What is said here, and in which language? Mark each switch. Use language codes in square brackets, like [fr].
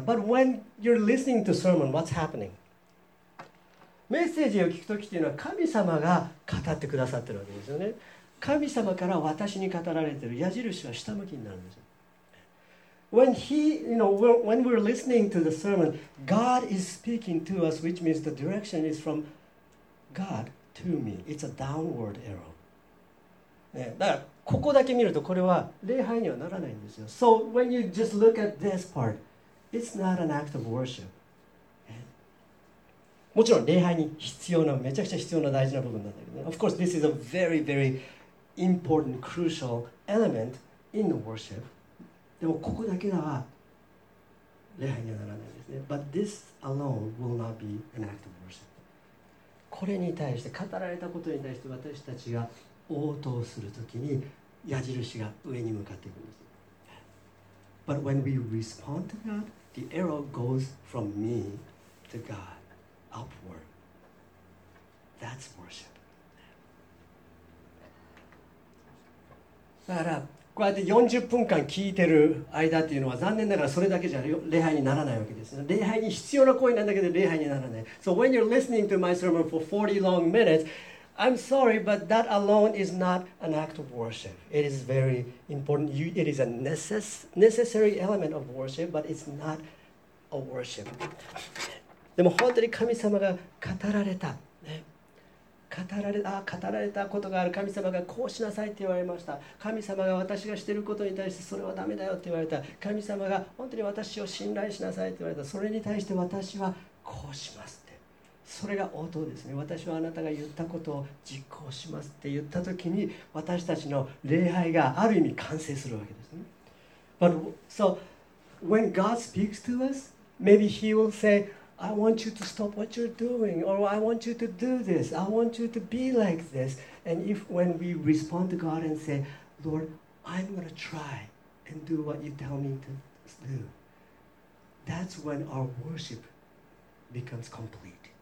[en] But when you're listening to sermon, what's happening? [ja] メッセージを聞くときというのは神様が語ってくださってるわけですよね。神様から私に語られている矢印は下向きになるんですよ。 [en] When he, you know, when we're listening to the sermon, God is speaking to us, which means the direction is from God to me. It's a downward arrow.、 [ja] ね、だからここだけ見るとこれは礼拝にはならないんですよ。 [en] So when you just look at this part, it's not an act of worship. [ja] もちろん礼拝に必要なめちゃくちゃ必要な大事な部分なんだけどね。 [en] Of course, this is a very, very important, crucial element in the worship. [ja] でもここだけでは礼拝にはならないですね。 [en] But this alone will not be an act of worship. [ja] これに対して語られたことに対して私たちが応答するときに矢印が上に向かっていくんです。 [en] But when we respond to God, the arrow goes from me to God. Upward. That's worship. [ja] だからこうやって40分間聞いてる間っていうのは残念ながらそれだけじゃ礼拝にならないわけです。礼拝に必要な声なんだけど礼拝にならない。 [en] So when you're listening to my sermon for 40 long minutes, I'm sorry, but that alone is not an act of worship. It is very important. It is a necessary element of worship, but it's not a worship. [ja] でも本当に神様が語られた、ね、語られたことがある。神様がこうしなさいって言われました。神様が私がしていることに対してそれはダメだよって言われた。神様が本当に私を信頼しなさいって言われた。それに対して私はこうしますって、それが応答ですね。私はあなたが言ったことを実行しますって言った時に私たちの礼拝がある意味完成するわけですね。 [en] But so when God speaks to us, maybe he will sayI want you to stop what you're doing, or I want you to do this, I want you to be like this. And if when we respond to God and say, Lord, I'm going to try and do what you tell me to do, that's when our worship becomes complete.